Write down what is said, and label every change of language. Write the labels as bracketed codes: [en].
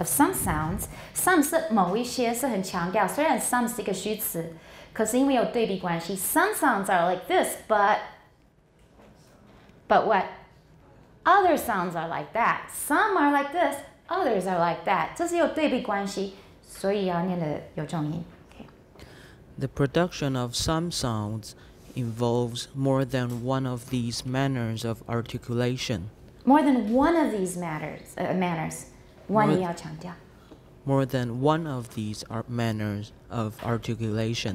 [en] Of some sounds. Some [zh] 是某一些是很强调, 虽然 some 是一个虚词, 可是因为有对比关系, [en] some sounds are like this, But what? Other sounds are like that. Some are like this, others are like that. [zh] 这是有对比关系,所以要念的有重音. [en] Okay. The production of some sounds involves more than one of these manners of articulation. More than one of these matters, manners. [zh] 万一要强调. [en] More than one of these manners of articulation.